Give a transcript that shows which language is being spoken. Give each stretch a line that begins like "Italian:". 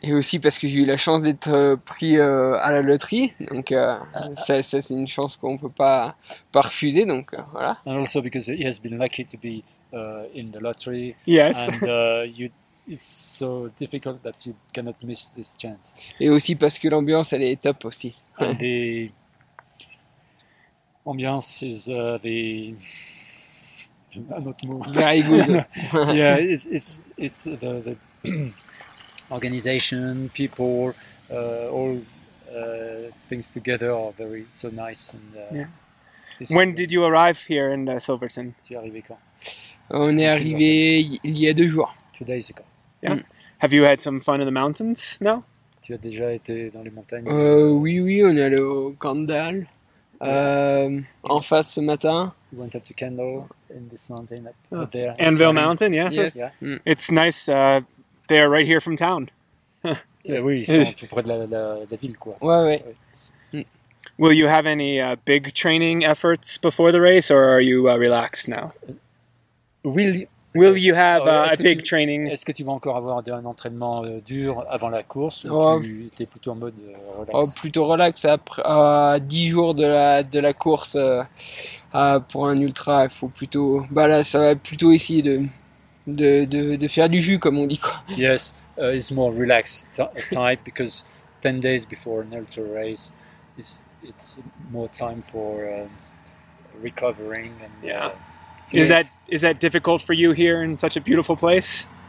French: Et aussi parce que j'ai eu la chance d'être pris à la loterie, donc ça c'est une chance qu'on peut pas refuser, donc voilà.
English: And also because he has been lucky to be in the lottery. Yes. And it's so difficult that you cannot miss this chance.
French: Et aussi parce que l'ambiance elle est top aussi.
English: And the ambiance is the not more. Very good. Yeah, it's the organization, people, all things together are very so nice. And, When did you arrive here in Silverton?
French: Tu es arrivé quand? On est arrivé il y a 2 jours.
English: 2 days ago. Yeah. Have you had some fun in the mountains? No.
French: Tu as déjà été dans les montagnes? Oui, on est allé au Kandal. En face ce matin.
English: We went up to Kandal in this mountain up there. Anvil Mountain, yeah. Yes. It's nice. They are right here from town.
French: Yeah, oui, ils sont tout près de la ville, quoi. Ouais.
English: Will you have any big training efforts before the race, or are you relaxed now? Will you have a big training?
French: Est-ce que tu vas encore avoir un entraînement dur avant la course, ou tu es plutôt en mode relax? Oh, plutôt relax après 10 jours de la course pour un ultra. Il faut plutôt. Bah là, ça va plutôt essayer de faire du jus, comme on dit, quoi.
English: Yes, it's more relaxed type because 10 days before an ultra race, it's more time for recovering. And Is that difficult for you here in such a beautiful place?